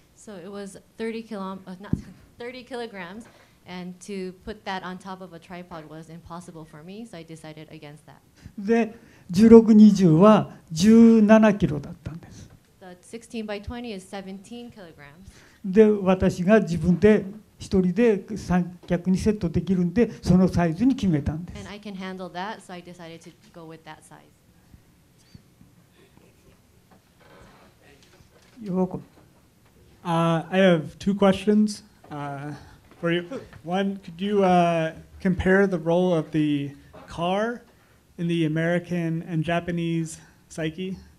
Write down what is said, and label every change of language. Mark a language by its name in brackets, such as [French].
[English] So it was 30 kilograms, and to put that on top of a tripod was impossible for me, so I decided against that. [Japanese] で、1620は17キロだったんです。 [English] 16 by 20 is 17 kilograms. [Japanese] で、私が自分で一人で三脚にセットできるんで、そのサイズに決めたんです。 [English] And I can handle that, so I decided to go with that size. You're welcome. I have two questions for you. One, could you compare the role of the car in the American and Japanese psyche?